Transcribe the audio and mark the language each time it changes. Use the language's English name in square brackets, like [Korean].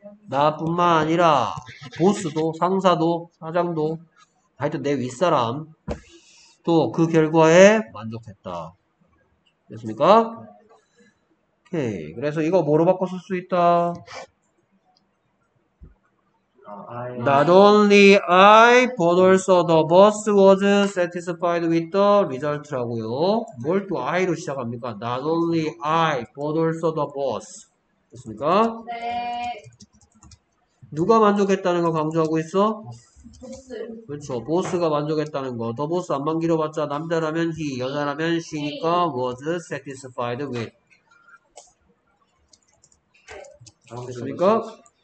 [Korean] 나뿐만 아니라 보스도 상사도 사장도 하여튼 내 윗사람 또 그 결과에 만족했다 됐습니까? 오케이. 그래서 이거 뭐로 바꿔 쓸 수 있다? [English] Not only I but also the boss was satisfied with the result [Korean] 라고요. 뭘 또 I로 시작합니까? [English] Not only I but also the boss [Korean] 됐습니까? 네. 누가 만족했다는 거 강조하고 있어? 보스. 그렇죠. 보스가 만족했다는 거. 더 보스 안 만기려봤자 남자라면 he, 여자라면 she니까 [English] was satisfied with. [Korean] 됐습니까?